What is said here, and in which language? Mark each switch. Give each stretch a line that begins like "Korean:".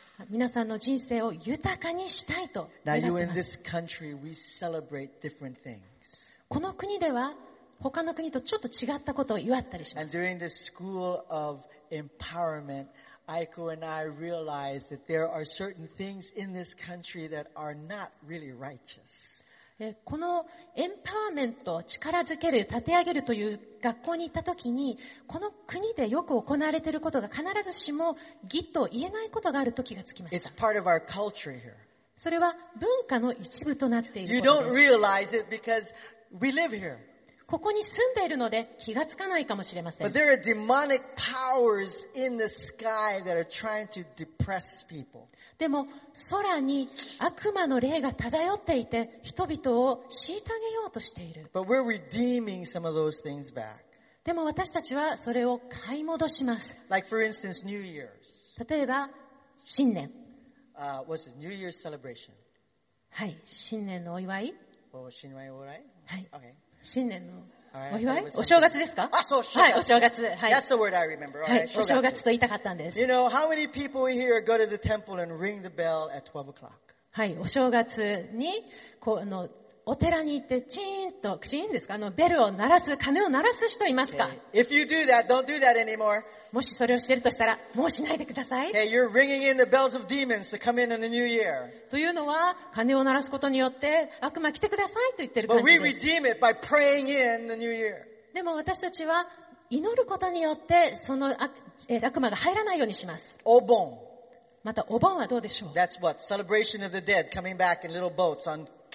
Japanese: 皆さんの人生を豊かにしたいと願っています。
English: Now you in this country, we celebrate different things.
Japanese: この国では他の国とちょっと違ったことを祝ったりします。
English: And during the school of empowerment,Aiko and I realized that there are certain things in this country that are not really righteous.
Japanese: このエンパワーメント、力づける、立て上げるという学校に行った時に、この国でよく行われていることが必ずしも義と言えないことがある時がつきました。
English: It's part of our culture here.
Japanese: それは文化の一部となっていることです。
English: You don't realize it because we live here.
Japanese: ここに住んでいるので気がつかないかもしれません。
English: But there are demonic powers in the sky that are trying to depress people.
Japanese: でも空に悪魔の霊が漂っていて人々を虐げようとしている。
English: But we're redeeming some of those things back.
Japanese: でも私たちはそれを買い戻します。
English: Like for instance, New Year's.
Japanese: 例えば新年。
English: What's it? New Year's celebration.
Japanese: はい、新年のお祝い。お新年お祝い。はい。
English: Okay.
Japanese: 新年のお祝い、お正月ですか？あ、そう、はい、お正月、はい。
English: That's the word I remember.
Japanese: はい、お正月と言いたかったんです。
English: You know how many people here go to the temple and ring the bell at 12 o'clock?
Japanese: はい、お正月にこうのお寺に行ってチーンとチーンですか？ベルを鳴らす、鐘を鳴らす人いますか
English: ？Okay. If you do that, don't do that anymore.
Japanese: もしそれをしているとしたら、もうしないでください。
English: Okay, you're ringing in the bells of demons to come in on the new year.
Japanese: というのは、鐘を鳴らすことによって悪魔来てくださいと言ってる感じです。
English: But we redeem it by praying in the new year.
Japanese: でも私たちは祈ることによってその悪魔が入らないようにします。お盆。またお盆はどうでしょう
English: ？That's what celebration of the dead coming back in little boats on.